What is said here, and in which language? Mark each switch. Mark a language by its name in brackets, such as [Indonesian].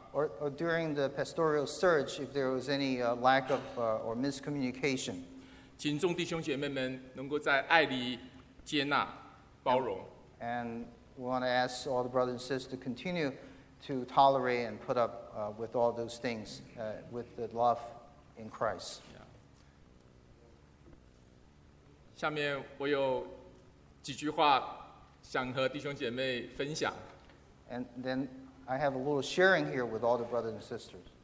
[English] Or during the pastoral search, if there was any lack of or miscommunication. [Chinese] 请众弟兄姐妹们能够在爱里接纳、包容。 [English] And we want to ask all the brothers and sisters to continue to tolerate and put up with all those things with the love in Christ. [Chinese] 下面我有几句话想和弟兄姐妹分享。 [English] And then I have a little sharing here with all the brothers and sisters.